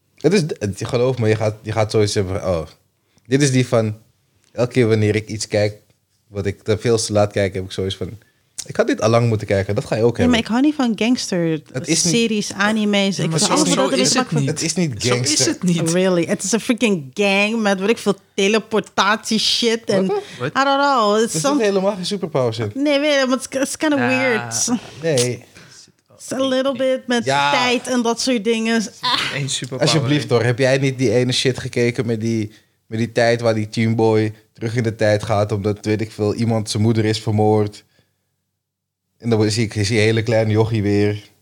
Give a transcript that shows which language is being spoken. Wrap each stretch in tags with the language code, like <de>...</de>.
<nl>Het is, geloof me, je gaat zoiets hebben. Oh, dit is die van elke keer wanneer ik iets kijk, wat ik te veel te laat kijk, heb ik zoiets van. Ik had dit al lang moeten kijken, dat ga je ook hebben. Nee, maar ik hou niet van gangster-series, anime's. Het is niet gangster. Zo is het niet. Really, het is een freaking gang met wat ik veel teleportatie shit.</nl> <en>En I don't know.</en> <nl>Er zit helemaal geen superpowers in. Nee, maar</nl> <en>it's kind of weird.</en> <nl>Nee.</nl> <en>A little bit</en> <nl>met tijd en dat soort dingen. Eén superpower. Alsjeblieft hoor, heb jij niet die ene shit gekeken met die tijd waar die teenboy terug in de tijd gaat omdat, weet ik veel, iemand zijn moeder is vermoord? En dan zie ik die hele kleine jochie weer.</nl>